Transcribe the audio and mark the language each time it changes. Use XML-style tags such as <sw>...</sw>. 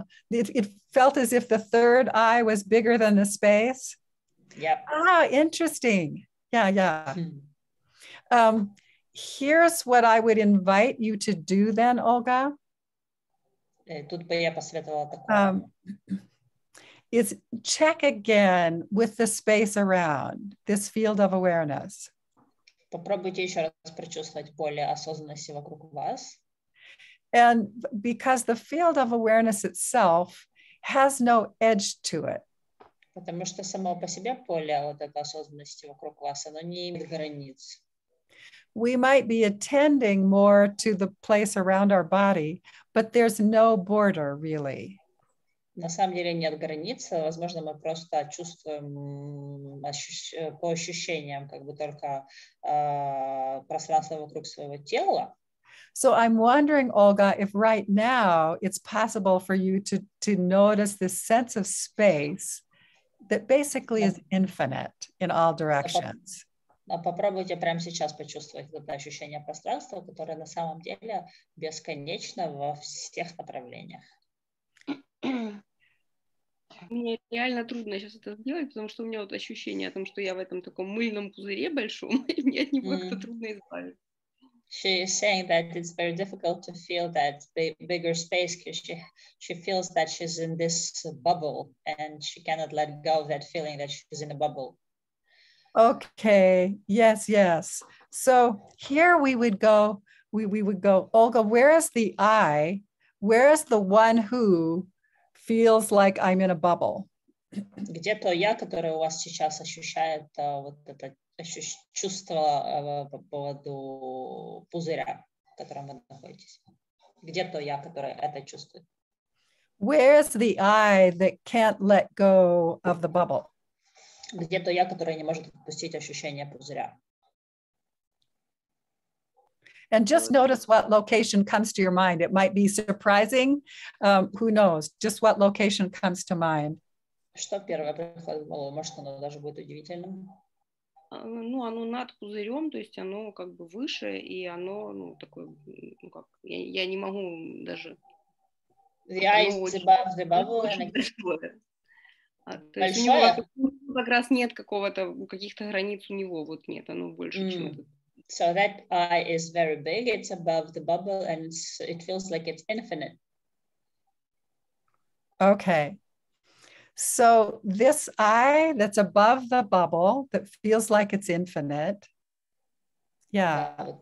<en>It felt as if the third eye was bigger than the space. Yep. Ah, interesting. Yeah. Here's what I would invite you to do then, Olga.</en> <ru>Тут бы я посоветовала такое.</ru> <en>Is check again with the space around this field of awareness.</en> <ru>Попробуйте еще раз прочувствовать поле осознанности вокруг вас.</ru> <en>And because the field of awareness itself has no edge to it.</en> <ru>Потому что само по себе поле вот этой осознанности вокруг вас, оно не имеет границ.</ru> <en>We might be attending more to the place around our body, but there's no border really.</en> <ru>На самом деле нет границ, возможно, мы просто чувствуем по ощущениям как бы только пространство вокруг своего тела.</ru> <en>So I'm wondering, Olga, if right now it's possible for you to notice this sense of space that basically is infinite in all directions.</en> <ru>Да, попробуйте прямо сейчас почувствовать это ощущение пространства, которое на самом деле бесконечно во всех направлениях. Мне реально трудно сейчас это сделать, потому что у меня вот ощущение о том, что я в этом таком мыльном пузыре большом, и мне от него как-то трудно избавиться.</ru> <en>She is saying that it's very difficult to feel that bigger space because she feels that she's in this bubble and she cannot let go of that feeling that she's in a bubble. Okay, yes, yes. So here we would go, Olga, where is the I? Where is the one who feels like I'm in a bubble?</en> <ru>Где то я, которое у вас сейчас ощущает вот это чувствовала по поводу пузыря, в котором вы находитесь. Где то я, которое это чувствует?</ru> <en>Where's the I that can't let go of the bubble?</en> <ru>Где то я, которое не может отпустить ощущение пузыря?</ru> <en>And just notice what location comes to your mind. It might be surprising. Who knows? Just what location comes to mind.</en> <ru>Что первое приходит в голову? Может, оно даже будет удивительным? Ну, оно над пузырем, то есть оно как бы выше, и оно, ну, такое, ну, как, я не могу даже... Я из Зибавы, очень большое. То есть у него как раз нет какого-то, каких-то границ у него, вот нет, оно больше, чем это.</ru> <en>So that eye is very big, it's above the bubble, and it feels like it's infinite. Okay. So this eye that's above the bubble that feels like it's infinite. Yeah.</en>